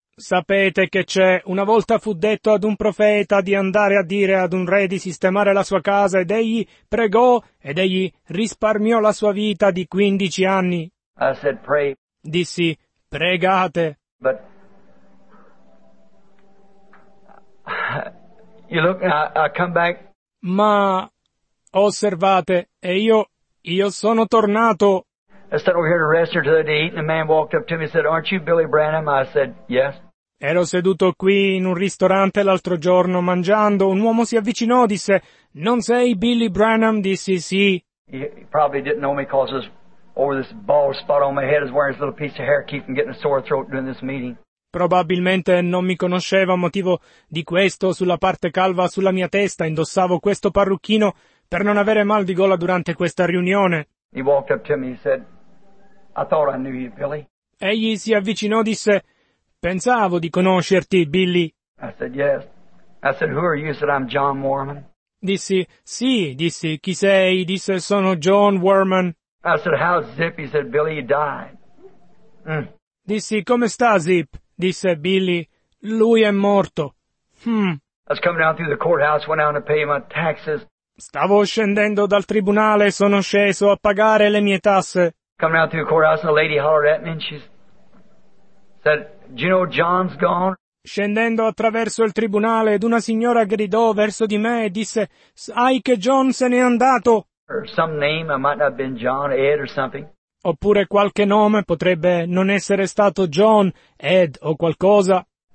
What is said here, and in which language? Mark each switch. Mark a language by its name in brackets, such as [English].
[Italian] Sapete che c'è, una volta fu detto ad un profeta di andare a dire ad un re di sistemare la sua casa ed egli pregò ed egli risparmiò la sua vita di 15 anni. [English] I said, pray. [Italian] Dissi, pregate. [English] But you look, I come back. [Italian] Ma osservate, e io sono tornato. [English] I sat over here to rest until the day eating. A man walked up to me and said, "Aren't you Billy Branham?" I said, "Yes." [Italian] Ero seduto qui in un ristorante l'altro giorno mangiando. Un uomo si avvicinò, disse, "Non sei Billy Branham?" Dissi, "Sì." [English] He probably didn't know me because over this bald spot on my head is wearing this little piece of hair, keeping getting a sore throat during this meeting. [Italian] Probabilmente non mi conosceva a motivo di questo, sulla parte calva sulla mia testa indossavo questo parrucchino per non avere mal di gola durante questa riunione. [English] He walked up to me and said, I thought I knew you, Billy. [Italian] Egli si avvicinò e disse, pensavo di conoscerti, Billy. [English] I said, yes. I said, who are you? Said, I'm John Worman. [Italian] Dissi, sì, dissi, chi sei? Disse, sono John Worman. [English] I said, how's Zip? He said, Billy, he died. [Italian] Mm. Dissi, come sta Zip? Disse Billy, lui è morto. [English] I was coming down through the courthouse, went down to pay my taxes. [Italian] Stavo scendendo dal tribunale, sono sceso a pagare le mie tasse. [English] Coming down through the courthouse, and the lady hollered at me, and she said, do you know John's gone? [Italian] Scendendo attraverso il tribunale, ed una signora gridò verso di me e disse, sai che John se n'è andato? [English] Or some name, I might not have been John, Ed, or something. [Italian] Oppure qualche nome, potrebbe non essere stato John, Ed o qualcosa.